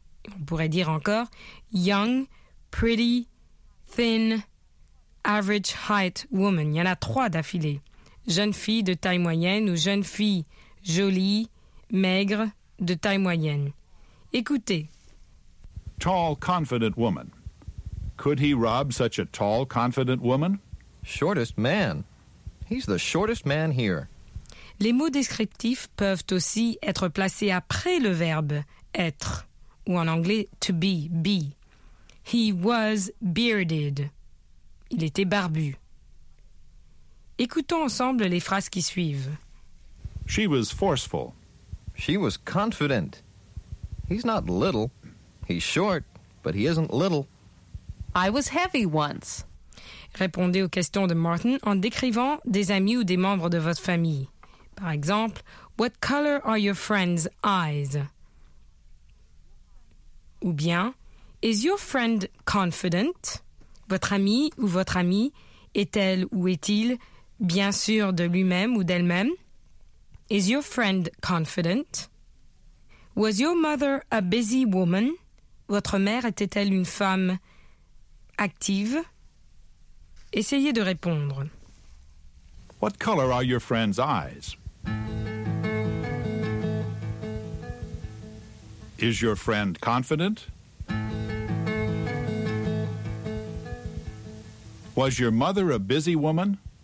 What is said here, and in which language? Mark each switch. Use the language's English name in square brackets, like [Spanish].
[French] On pourrait dire encore [English] young, pretty, thin, average height woman. [French] Il y en a trois d'affilée. Jeune fille de taille moyenne ou jeune fille jolie, maigre, de taille moyenne. Écoutez. [English] Tall, confident woman. Could he rob such a tall, confident woman? Shortest man. He's the shortest man here. [French] Les mots descriptifs peuvent aussi être placés après le verbe être, ou en anglais to be. [English] He was bearded. [French] Il était barbu. Écoutons ensemble les phrases qui suivent. [English] She was forceful. She was confident. He's not little. He's short, but he isn't little. I was heavy once. [French] Répondez aux questions de Martin en décrivant des amis ou des membres de votre famille. Par exemple, [English] what color are your friend's eyes? [French] Ou bien, [English] is your friend confident? [French] Votre ami ou votre amie est-elle ou est-il bien sûr de lui-même ou d'elle-même? [English] Is your friend confident? Was your mother a busy woman? [French] Votre mère était-elle une femme active? Essayez de répondre. [English] What color are your friend's eyes? Is your friend confident? Was your mother a busy woman?